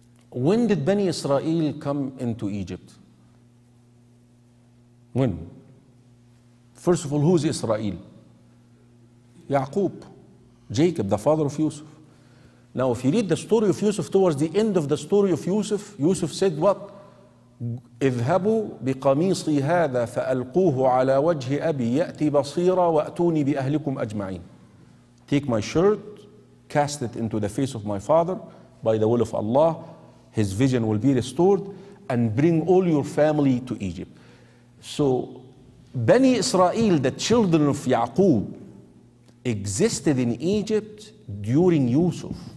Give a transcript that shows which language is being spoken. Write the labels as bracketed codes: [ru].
[en] When did Bani Israel come into Egypt? When? First of all, who's Israel? Yaqub, Jacob, the father of Yusuf. Now, if you read the story of Yusuf towards the end of the story of Yusuf, Yusuf said what? [ar] اذهبوا بقميصي هذا فألقوه على وجه أبي يأتي بصيرا وأتوني بأهلكم أجمعين. [en] Take my shirt, cast it into the face of my father, by the will of Allah, his vision will be restored, and bring all your family to Egypt. So, Bani Israel, the children of Yaqub, existed in Egypt during Yusuf.